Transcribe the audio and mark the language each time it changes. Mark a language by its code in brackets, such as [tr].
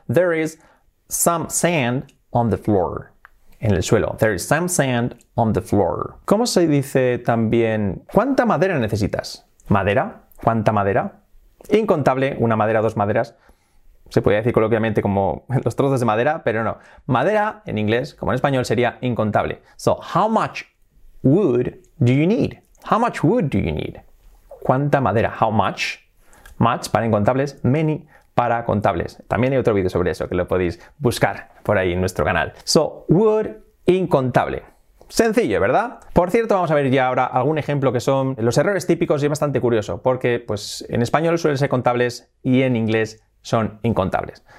[en] There is some sand on the floor. [es] En el suelo. [en] There is some sand on the floor. [es] ¿Cómo se dice también? ¿Cuánta madera necesitas? ¿Madera? ¿Cuánta madera? Incontable. Una madera, dos maderas. Se podría decir coloquialmente como los trozos de madera, pero no. Madera, en inglés, como en español, sería incontable. [en] So, how much wood do you need? How much wood do you need? [es] ¿Cuánta madera? [en] How much? [es] Much para incontables, many para contables. También hay otro vídeo sobre eso que lo podéis buscar por ahí en nuestro canal. [en] So, wood, [es] incontable. Sencillo, ¿verdad? Por cierto, vamos a ver ya ahora algún ejemplo que son los errores típicos y es bastante curioso, porque pues en español suelen ser contables y en inglés son incontables.